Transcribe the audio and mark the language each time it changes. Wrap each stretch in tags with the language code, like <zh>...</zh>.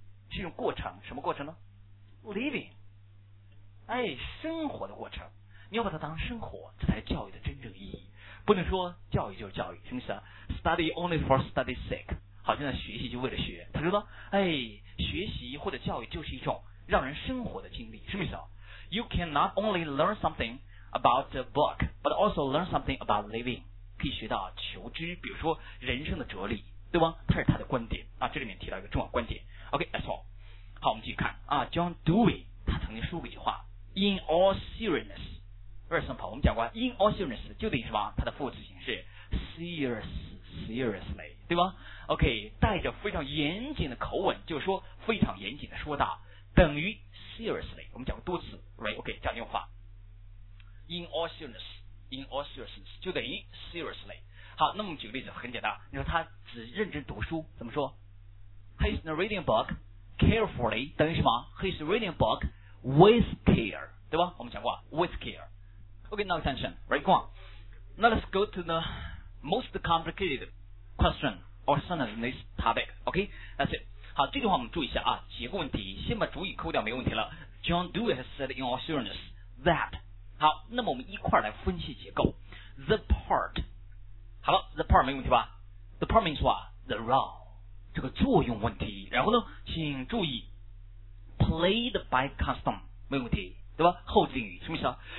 <zh>是一种过程，什么过程呢？living， 哎，生活的过程，你要把它当生活，这才是教育的真正意义。不能说教育就是教育，是不是啊？</zh> <en>study only for study's sake，</en> <zh>好像学习就为了学。他说呢，哎，学习或者教育就是一种让人生活的经历，是不是啊？</zh> <en>You can not only learn something about the book， but also learn something about living。</en> <zh>可以学到求知，比如说人生的哲理，对吧？它是他的观点啊，这里面提到一个重要观点。</zh> <en>OK， that's all。</en> <zh>好，我们继续看啊 ，John Dewey 他曾经说过一句话 ：</zh> <en>In all seriousness， very simple。</en> <zh>我们讲过 ，In all seriousness 就等于什么？它的副词形式 seriously， 对吧 ？OK， 带着非常严谨的口吻，就是说非常严谨的说道，等于 seriously。我们讲过多次 ，right？ OK， 这样用法 ，</zh> <en>In all seriousness。 In all seriousness 就等于 seriously。</en> <zh>好，那么举个例子很简单，你说他只认真读书怎么说？</zh> <en>He's reading a book carefully</en> <zh>等于什么？</zh> <en>He's reading a book with care，</en> <zh>对吧？我们讲过</zh> <en>with care。OK， now attention， right， go on。 Now let's go to the most complicated question or sentence in this topic。 OK， that's it。</en> <zh>好，这句话我们注意一下啊，结构问题先把主语扣掉没问题了。</zh> <en>John Dewey has said in all seriousness that。</en> <zh>好，那么我们一块来分析结构。</zh> <en>The part， 好了 ，the part</en> <zh>没问题吧</zh> <en>？The part means what？</en> <zh>The role， 这个作用问题。然后呢，请注意 ，</zh> <en>played by custom</en> <zh>没问题，对吧？后置定语什么意思啊？</zh>